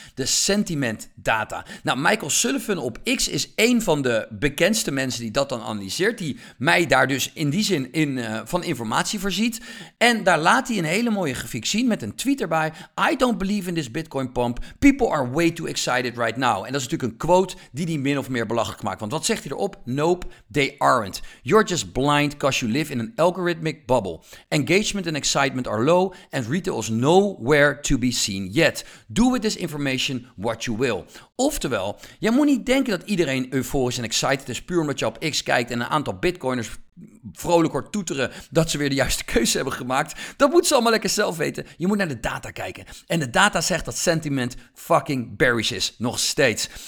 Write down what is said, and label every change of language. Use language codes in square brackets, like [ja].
[nl] De sentiment data. Nou, Michael Sullivan op X is één van de bekendste mensen die dat dan analyseert. Die mij daar dus in die zin in, van informatie voorziet. En daar laat hij een hele mooie grafiek zien met een tweet erbij. [en] I don't believe in this Bitcoin pump. People are way too excited right now. [nl] En dat is natuurlijk een quote die hij min of meer belachelijk maakt. Want wat zegt hij erop? [en] Nope, they aren't. You're just blind because you live in an algorithmic bubble. Engagement and excitement are low. And retail is nowhere to be seen yet. Do with this information what you will. [nl] Oftewel, je moet niet denken dat iedereen euforisch en excited is puur omdat je op X kijkt en een aantal bitcoiners vrolijk hoort toeteren dat ze weer de juiste keuze hebben gemaakt. Dat moeten ze allemaal lekker zelf weten. Je moet naar de data kijken. En de data zegt dat sentiment fucking bearish is. Nog steeds.